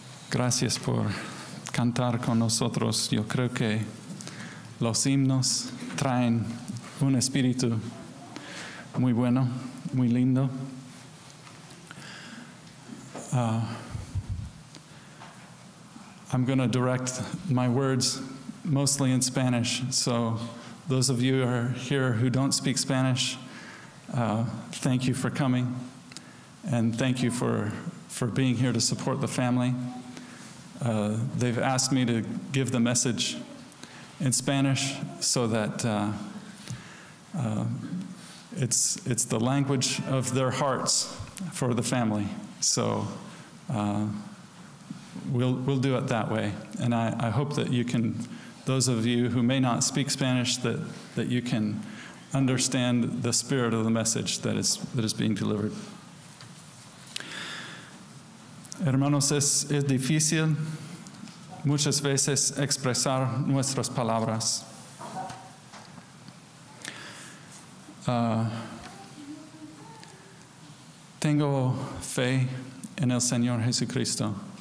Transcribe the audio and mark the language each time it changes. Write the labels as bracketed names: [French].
[Spanish] Gracias por cantar con nosotros. Yo creo que los himnos traen un espíritu muy bueno, muy lindo. [English] I'm going to direct my words mostly in Spanish. So those of you who are here who don't speak Spanish, thank you for coming. And thank you for being here to support the family. They've asked me to give the message in Spanish so that it's the language of their hearts for the family. So we'll do it that way. And I hope that you can, those of you who may not speak Spanish, that you can understand the spirit of the message that is being delivered. [Spanish] Hermanos, es difícil muchas veces expresar nuestras palabras. Tengo fe en el Señor Jesucristo.